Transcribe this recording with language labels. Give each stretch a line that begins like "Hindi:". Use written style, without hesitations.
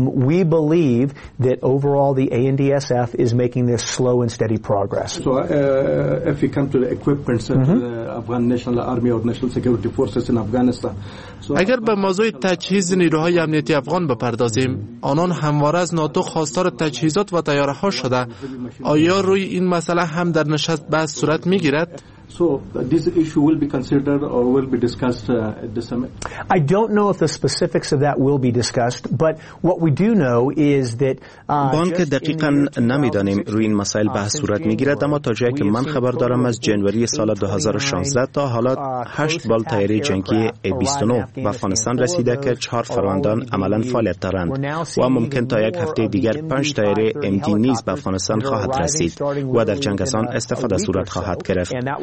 English: We believe that overall the ANDSF is making this slow and steady progress. So if we come to the equipment of the Afghan National Army or National Security Forces in Afghanistan.
Persian: اگر به موضوع تجهیز نیروهای امنیتی افغان بپردازیم، آنان همواره از ناتو خواستار تجهیزات و تیاره‌ها شده. آیا روی این مسئله هم در نشست بحث صورت می‌گیرد؟
English: I don't know if the specifics of that will be discussed, but what we do know is that.
Persian: بانک دقیقاً نمی‌دانیم روی این مسائل بحث صورت می‌گیرد، اما تا جایی که من خبر دارم از جنوری سال 2016 تا حالا 8 بال طیاره جنگی A-29 و افغانستان رسیده که 4 فروندان عملاً فعالیت دارند و ممکن تا یک هفته دیگر 5 طیاره MD نیز به افغانستان خواهد رسید و در جنگ آن استفاده صورت خواهد گرفت.